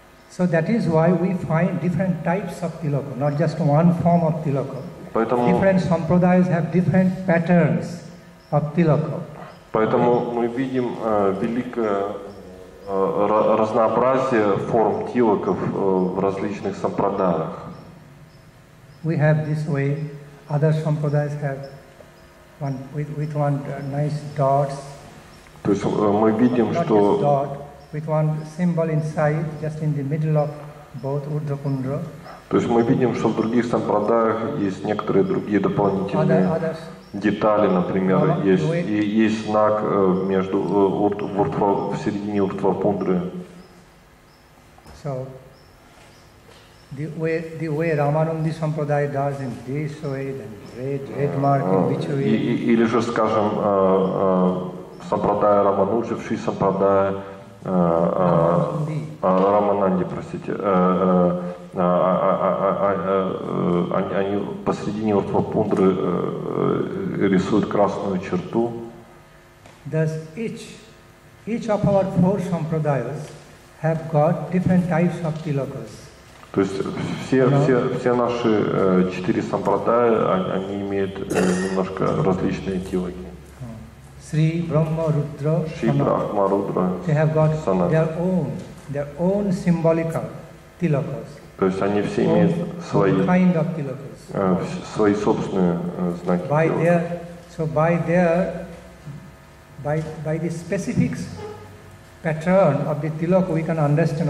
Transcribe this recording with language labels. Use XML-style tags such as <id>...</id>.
<en>So that is why we find different types of tilaka, not just one form of tilaka.</en> <ru>Поэтому,</ru> <en>different sampradayas have different patterns of tilaka.</en> <ru>Поэтому мы видим великое разнообразие форм тилаков в различных сампрадаях.</ru> <en>We have this way, other sampradayas have one with one nice dots.</en> <ru>То есть мы видим, что</ru> <en>with one symbol inside, just in the middle of both Urdhva Kundra.</en> <ru>То есть мы видим, что в других сампрадаях есть некоторые другие дополнительные детали, например, есть знак между в середине Урдхва Кундры.</ru> <en>So the way Ramanandi Sampradaya does in this way, then red mark in which way.</en> <ru>Или же, скажем, сампрадая Рамануджи, Шри сампрадая. Рамананди, простите, они посредине Урдхва Кундры рисуют красную черту.</ru> <en>Thus each of our four sampradayas have got different types of tilakas.</en> <ru>То есть все наши четыре сампрадая они имеют немножко различные тилаки.</ru> <en>Sri Brahma Rudra, Shri Brahma Rudra, they have got Sanat. their own symbolic tilakas.</en> <ru>То есть они все имеют свои</ru> <en>kind of tilakas.</en> <ru>Свои собственные знаки.</ru> <en>By the specific pattern of the tilaka, we can understand.</en>